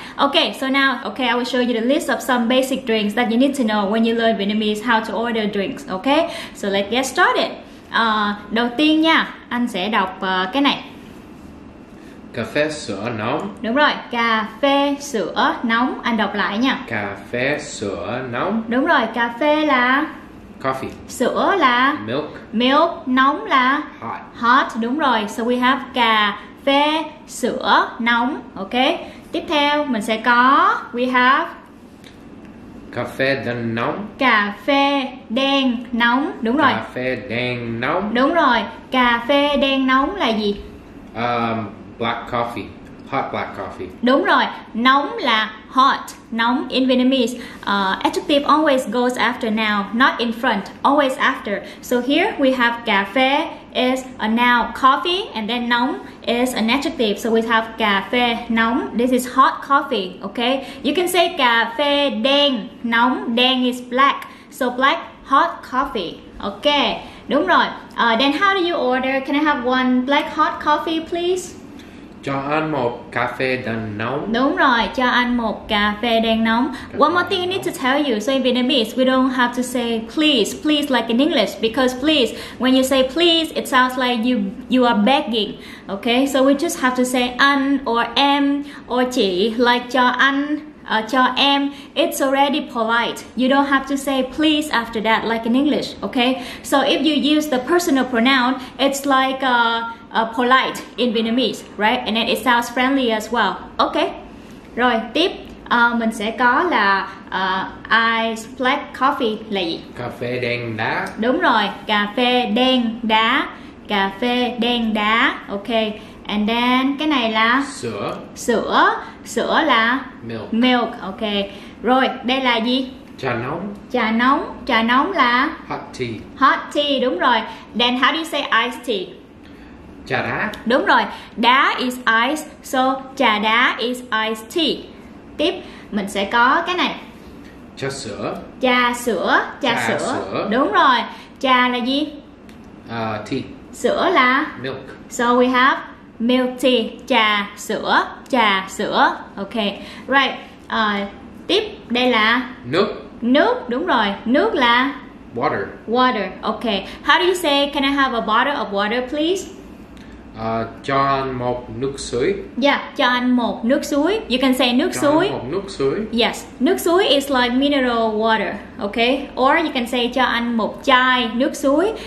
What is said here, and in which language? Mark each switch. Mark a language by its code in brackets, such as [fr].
[en] Okay, so now, okay, I will show you the list of some basic drinks that you need to know when you learn Vietnamese how to order drinks, okay? So let's get started. [vi] Đầu tiên nha, anh sẽ đọc cái này. Cà phê sữa nóng. Đúng rồi, cà phê sữa nóng. Anh đọc lại nha. Cà phê sữa nóng. Đúng rồi, cà phê là [en] coffee. [vi] Sữa là [en] milk. [vi] Milk, nóng là [en] hot. [vi] Hot, đúng rồi. [en] So we have [vi] cà phê sữa nóng. Ok. Tiếp theo mình sẽ có, [en] we have [vi] cà phê đen nóng. Cà phê đen nóng. Đúng rồi. Cà phê đen nóng. Đúng rồi, cà phê đen nóng là gì? [en] Black coffee, hot black coffee. [vi] Đúng rồi, nóng là hot. [en] Nóng in Vietnamese, adjective always goes after noun, not in front, always after. So here we have cà phê is a noun, coffee, and then nóng is an adjective. So we have cà phê nóng. This is hot coffee. Okay, you can say cà phê đen nóng. Đen is black, so black hot coffee. Okay, đúng rồi. Then how do you order? Can I have one black hot coffee, please? [vi] Cho anh một cà phê đen nóng. Đúng rồi, cho anh một cà phê đen nóng. [en] One more thing I need to tell you. So in Vietnamese, we don't have to say please, please like in English. Because please, when you say please, it sounds like you are begging. Okay, so we just have to say anh or em or chị. Like cho anh, cho em. It's already polite. You don't have to say please after that like in English. Okay, so if you use the personal pronoun, it's like polite in Vietnamese, right? And then it sounds friendly as well. Okay. [vi] Rồi, tiếp mình sẽ có là [en] iced black coffee [vi] là gì? Cà phê đen đá. Đúng rồi, cà phê đen đá. Cà phê đen đá. Okay. And then cái này là sữa. Sữa. Sữa là [en] milk. [vi] Milk. Okay. Rồi, đây là gì? Trà nóng. Trà nóng. Trà nóng là [en] hot tea. Hot tea, đúng rồi. Then how do you say iced tea? [vi] Trà đá. Đúng rồi, đá [en] is ice, so [vi] trà đá is iced tea. Tiếp, mình sẽ có cái này. Trà sữa. Trà sữa. Trà sữa. Đúng rồi. Trà là gì? [en] Tea. [vi] Sữa là? [en] Milk. So we have milk tea. Trà sữa. Trà sữa. Okay. Right. [vi] Tiếp đây là? Nước. Nước. Đúng rồi. Nước là? [en] Water. Water. Okay. How do you say, can I have a bottle of water, please? [vi] Cho anh một nước suối. Yeah, cho anh một nước suối. [en] You can say nước [vi] cho suối. Cho anh một nước suối. [en] Yes, nước suối is like mineral water, okay? [vi] Or you can say cho anh một chai nước suối.